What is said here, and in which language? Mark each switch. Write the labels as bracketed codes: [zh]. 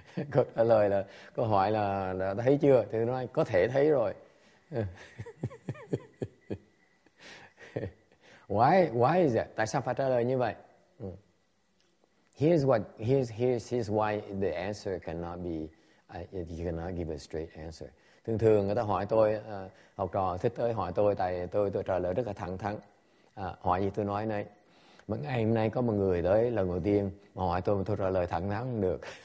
[vi] Câu trả lời là, câu hỏi là đã thấy chưa? Thì tôi nói có thể thấy rồi. [en] Why is that? [vi] Tại sao phải trả lời như vậy? [en] Here's why the answer cannot be, you cannot give a straight answer. [vi] Thường thường người ta hỏi tôi, học trò thích tới hỏi tôi, tại tôi trả lời rất là thẳng thắn. Hỏi gì tôi nói này. Mấy ngày hôm nay có một người tới lần đầu tiên mà hỏi tôi trả lời thẳng thắn được.